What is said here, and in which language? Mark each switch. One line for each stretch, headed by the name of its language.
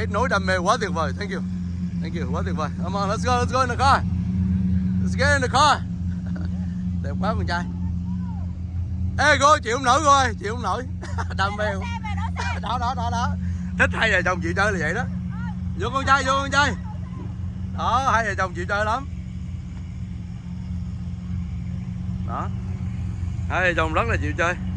Vietnamese: Đam mê quá tuyệt vời,
English: thank you,
Vietnamese: quá tuyệt vời.
English: Come on, let's go in the car, let's get in the car.
Vietnamese: Đẹp quá con trai. Ê cô, chịu không nổi, đam mê. Đó, thích hai vợ chồng chịu chơi là vậy đó. Vô con trai. Đó, hai vợ chồng chịu chơi lắm. Đó, hai vợ chồng rất là chịu chơi.